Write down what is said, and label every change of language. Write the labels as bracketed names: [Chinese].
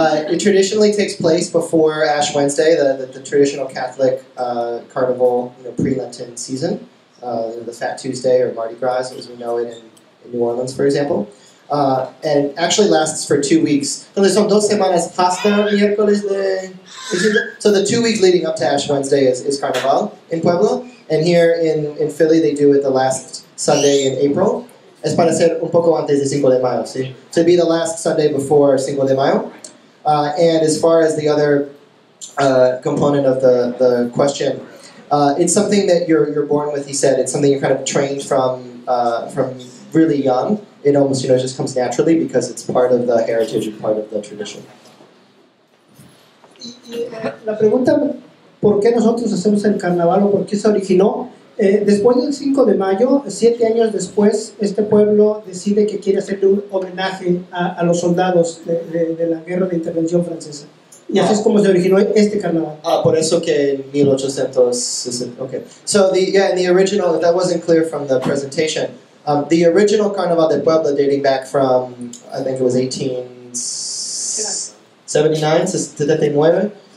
[English] It traditionally takes place before Ash Wednesday, the traditional Catholic carnival, you know, pre-Lenten season, the Fat Tuesday or Mardi Gras, as we know it in New Orleans, for example, and actually lasts for 2 weeks. [Spanish] Entonces son dos semanas hasta miércoles de... [English] So the 2 weeks leading up to Ash Wednesday is Carnaval in Puebla, and here in Philly they do it the last Sunday in April. [Spanish] Es para ser un poco antes de Cinco de Mayo, ¿sí? [English] To be the last Sunday before Cinco de Mayo. And as far as the other component of the question, it's something that you're born with, he said. It's something you're kind of trained from really young. It almost, you know, just comes naturally because it's part of the heritage and part of the tradition. [Spanish] La pregunta, ¿por qué nosotros hacemos el carnaval o por qué se originó? Después del 5 de mayo, 7 años después, este pueblo decide que quiere hacerle un homenaje a los soldados de la guerra de intervención francesa. Y así es como se originó este carnaval. Por eso que en 1860. Okay. [English] So, in the original, that wasn't clear from the presentation. The original Carnaval de Puebla, dating back from, I think it was 1879.